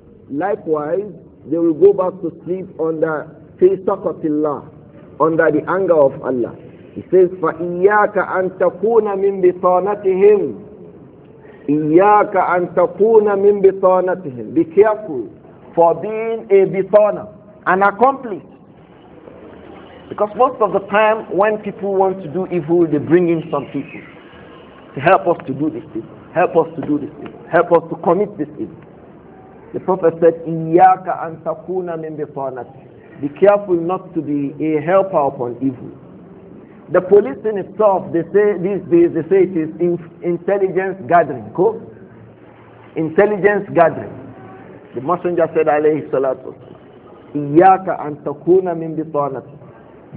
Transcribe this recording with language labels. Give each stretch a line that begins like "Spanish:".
English: Likewise, they will go back to sleep under
Arabic: فِي سَقَطِ اللَّهِ,
English: under the anger of Allah. He says,
Arabic: فَإِيَّاكَ أَن تَكُونَ مِنْ بِطَانَتِهِمْ. إِيَّاكَ أَن تَكُونَ مِنْ بِطَانَتِهِمْ.
English: Be careful for being a bitana, an accomplice. Because most of the time, when people want to do evil, they bring in some people to help us to do this thing. Help us to do this thing. Help us to commit this thing. The Prophet said,
Arabic: إِيَّاكَ أَن تَكُونَ مِنْ بِطَانَتِهِمْ.
English: Be careful not to be a helper upon evil. The police in itself, they say these days, they say it is intelligence gathering. Go. Intelligence gathering. The Messenger said, alayhi salatu
Arabic: إِيَّاكَ أَن تَكُونَ مِنْ بِطَانَتِهِمْ.